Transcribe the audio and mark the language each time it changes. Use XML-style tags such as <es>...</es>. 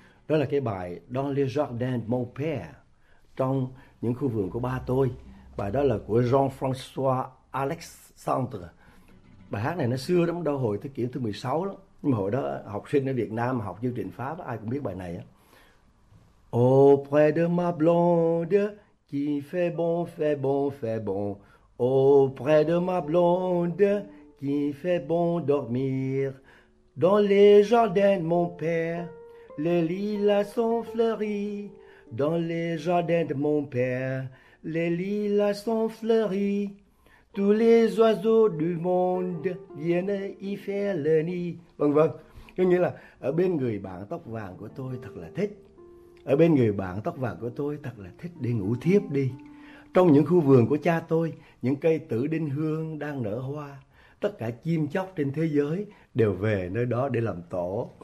<vi>Đó là cái bài</vi> <fr>Dans les jardins de mon père,</fr> <vi>trong những khu vườn của ba tôi. Bài đó là của Jean-François Alexandre. Bài hát này nó xưa lắm, đâu hồi thế kỷ thứ 16 lắm. Nhưng mà hồi đó học sinh ở Việt Nam mà học chương trình Pháp ai cũng biết bài này á.</vi> <fr>Auprès de ma blonde qui fait bon, fait bon, fait bon. Auprès de ma blonde qui fait bon dormir. Dans les jardins de mon père, les lilas sont fleuris. Dans les jardins de mon père, les lilas sont fleuris. Tous les oiseaux du monde viennent y faire le nid.</fr> <vi>Vâng vâng. Có nghĩa là ở bên người bạn tóc vàng của tôi thật là thích. Ở bên người bạn tóc vàng của tôi thật là thích đi ngủ thiếp đi. Trong những khu vườn của cha tôi, những cây tử đinh hương đang nở hoa. Tất cả chim chóc trên thế giới đều về nơi đó để làm tổ.</vi>